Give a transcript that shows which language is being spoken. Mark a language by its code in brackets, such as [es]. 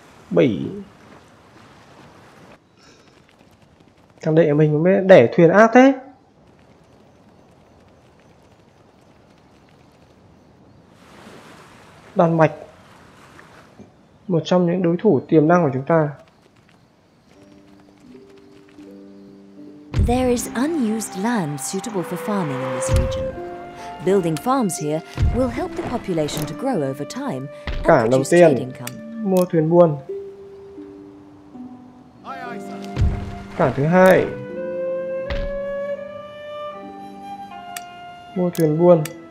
[vi] 7 thằng đệ mình mới đẻ thuyền ác thế. Đan Mạch, một trong những đối thủ tiềm năng của chúng ta. [en] There is unused land suitable for farming in this region. Building farms here will help the population to grow over time. [vi] Cả đầu tiên, mua thuyền buôn. Cả thứ hai, mua thuyền buôn.